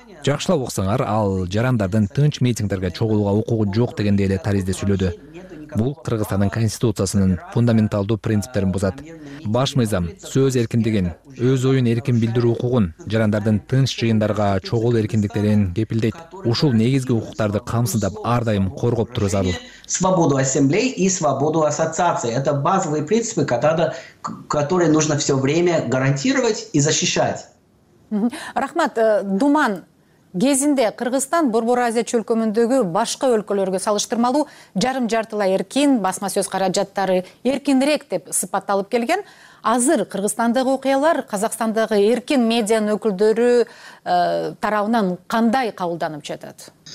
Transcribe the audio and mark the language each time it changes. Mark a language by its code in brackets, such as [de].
[ky] Жакшылап уксаңар, ал жарандардын тынч митингдерге чогулууга укугу жок дегендей эле таризде сүйлөдү. Бул Кыргызстандын конституциясынын фундаменталдуу принциптерин бузат. Баш мыйзам сөз эркиндигин, өз оюн эркин билдирүү укугун, жарандардын тынч жыйындарга чогулуу эркиндиктерин кепилдейт. Ушул негизги укуктарды камсыздап, ар дайым коргоп туруу зарыл. [ru] Свободу ассамблей и свободу ассоциаций. Это базовые принципы, которые нужно все время гарантировать и защищать. [ky] Рахмат, Думан. Кезинде Кыргызстан Борбор Азия чөлкөмүндөгү башка өлкөлөргө салыштырмалуу жарым жартылай эркин, басма сөз каражаттары эркинирээк деп сыпатталып келген. Азыр Кыргызстандагы окуялар Казакстандагы эркин медианын өкүлдөрү тарабынан кандай кабылданып жатат?